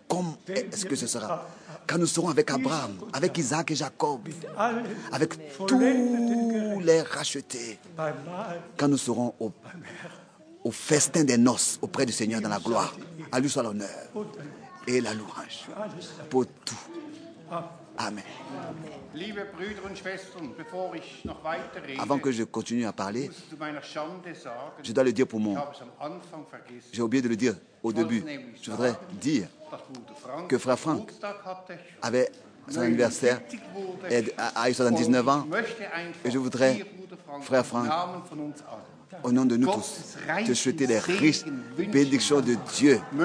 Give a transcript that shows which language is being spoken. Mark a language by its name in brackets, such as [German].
[French] Comment est-ce que ce sera quand nous serons avec Abraham, avec Isaac et Jacob, avec tous les rachetés, quand nous serons au festin des noces auprès du Seigneur dans la gloire. À lui soit l'honneur et la louange pour tout. Amen. [German] Liebe Brüder und Schwestern, bevor ich noch weiter rede, [French] avant que je continue à parler, [German] sagen, [French] je dois le dire pour moi. J'ai oublié de le dire au je début. Je voudrais dire que frère Frank avait son anniversaire et a eu 79 ans. Et je voudrais, frère Frank, au nom de nous tous, te souhaiter les riches bénédictions de Dieu.